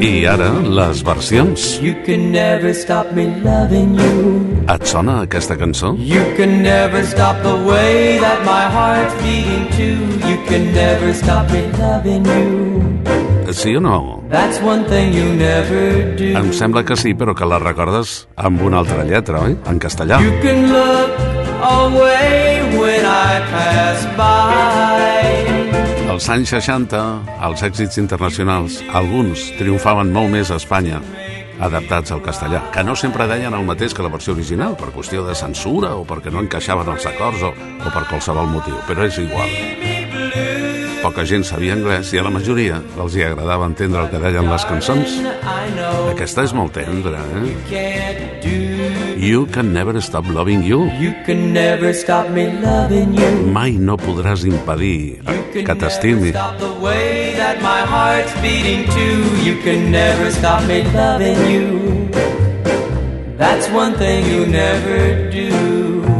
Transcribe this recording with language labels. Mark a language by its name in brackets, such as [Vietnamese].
[Catalan] I ara, les versions. [English] You can never stop me loving you. [Catalan] Et sona aquesta cançó? [English] You can never stop the way that my heart's beating too. You can never stop me loving you. [Catalan] Sí o no? [English] That's one thing you never do. [Catalan] Em sembla que sí, però que la recordes amb una altra lletra, oi? En castellà. [English] You can look away when I pass by. [Catalan] Als anys 60, els èxits internacionals, alguns triomfaven molt més a Espanya, adaptats al castellà, que no sempre deien el mateix que la versió original, per qüestió de censura o perquè no encaixaven els acords o per qualsevol motiu, però és igual. Poca gent sabia anglès i a la majoria els hi agradava entendre el que deien les cançons. Aquesta és molt tendra, eh? [English] You can never stop loving you. You can never stop me loving you. [Catalan] Mai no podràs impedir que t'estimi. [English] Stop the way that my heart's beating too. You can never stop me loving you. That's one thing you never do.